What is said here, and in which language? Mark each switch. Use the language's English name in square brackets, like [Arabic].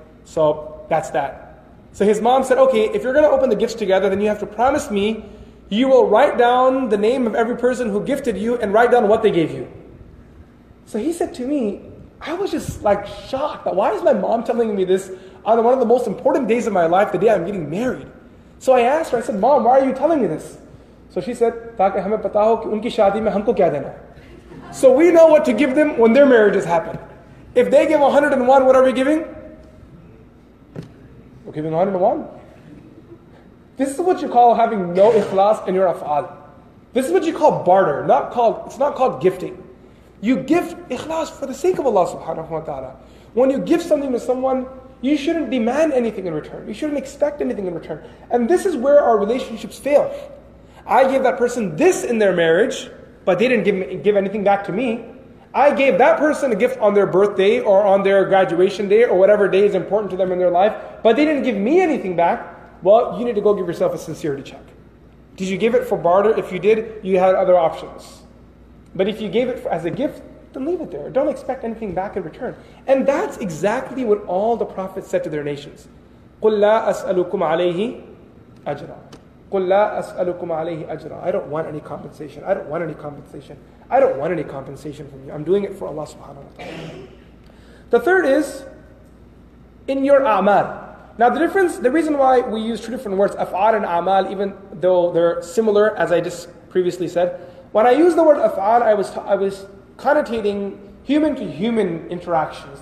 [English] So that's that. So his mom said, okay, if you're going to open the gifts together, then you have to promise me you will write down the name of every person who gifted you and write down what they gave you. So he said to me, I was just like shocked. Why is my mom telling me this on one of the most important days of my life, the day I'm getting married? So I asked her, I said, Mom, why are you telling me this? So she said, [Urdu] تاکہ ہمیں پتا ہو کہ ان کی شادی میں ہم کو کیا دینا ہے. [English] So we know what to give them when their marriages happen. If they give 101, what are we giving? We're giving 101. This is what you call having no ikhlas in your af'al. This is what you call barter, it's not called gifting. You give ikhlas for the sake of Allah subhanahu wa ta'ala. When you give something to someone, you shouldn't demand anything in return. You shouldn't expect anything in return. And this is where our relationships fail. I gave that person this in their marriage, but they didn't give anything back to me. I gave that person a gift on their birthday or on their graduation day or whatever day is important to them in their life, but they didn't give me anything back. Well, you need to go give yourself a sincerity check. Did you give it for barter? If you did, you had other options. But if you gave it as a gift, then leave it there. Don't expect anything back in return. And that's exactly what all the prophets said to their nations. [Arabic] قُلْ لَا أَسْأَلُكُمْ عَلَيْهِ أَجْرًا قُلْ لَا أَسْأَلُكُمْ عَلَيْهِ أَجْرًا [English] I don't want any compensation. I don't want any compensation. I don't want any compensation from you. I'm doing it for Allah subhanahu wa ta'ala. The third is, in your a'mal. Now the difference, the reason why we use two different words, af'al and a'mal, even though they're similar, as I just previously said, when I use the word af'al, I was connotating human to human interactions.